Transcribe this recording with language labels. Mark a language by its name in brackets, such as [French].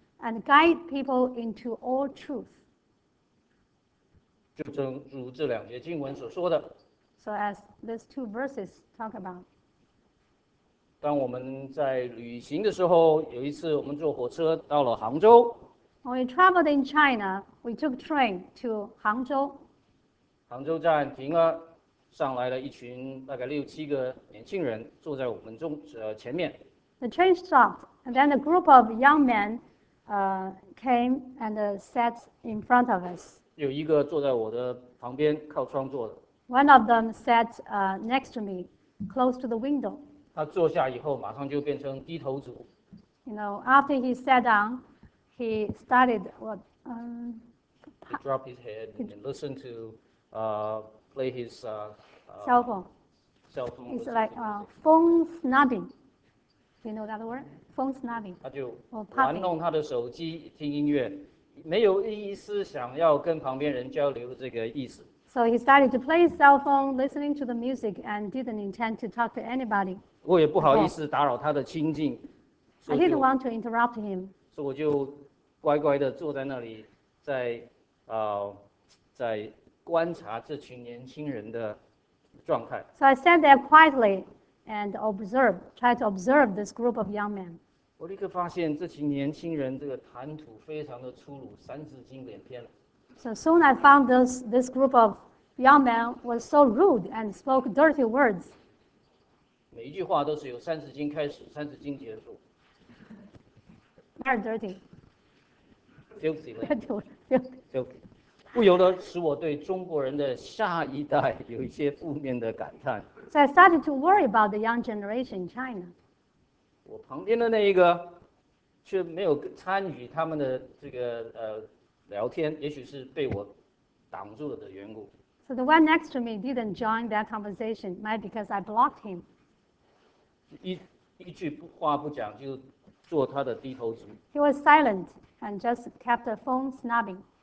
[English] And guide people into all truth. [Chinese] 就正如这两节经文所说的。 [English] So as these two verses talk about. [Chinese] 当我们在旅行的时候，有一次我们坐火车到了杭州。 [English] When we traveled in China, we took train to 杭州。 [Chinese] 杭州站停了，上来了一群大概六七个年轻人，坐在我们前面。 [English] The train stopped, and then a group of young men. Came and sat in front of us. [Chinese] 有一个坐在我的旁边，靠窗坐的。 [English] One of them sat next to me, close to the window. [Chinese] 他坐下以后，马上就变成低头族。 [English] You know, after he sat down, he started what? He dropped his head and listened to play his cell phone. Cell phone. It's like phone snubbing. You know that word? [Chinese] 他就玩弄他的手机听音乐，没有一丝想要跟旁边人交流这个意思。 [English] So he started to play his cell phone, listening to the music, and didn't intend to talk to anybody. [Chinese] 我也不好意思打扰他的清静。 [English] I didn't want to interrupt him. [Chinese] 所以我就乖乖的坐在那里，在观察这群年轻人的状态。 [English] So I sat there quietly. And observe, try to observe this group of young men. [Chinese] 我立刻发现这群年轻人这个谈吐非常的粗鲁，三字经连篇了。 [English] So soon I found this group of young men was so rude and spoke dirty words. [Chinese] 每一句话都是由三字经开始，三字经结束。 [English] very dirty. Filthy. Filthy. So I started to worry about the young generation in China. [Chinese] 我旁边的那一个却没有参与他们的这个聊天，也许是被我挡住了的缘故。 [English] So the one next to me didn't join that conversation, might because I blocked him. [Chinese] 一句话不讲就做他的低头族。 [English] He was silent and just kept the phone snubbing.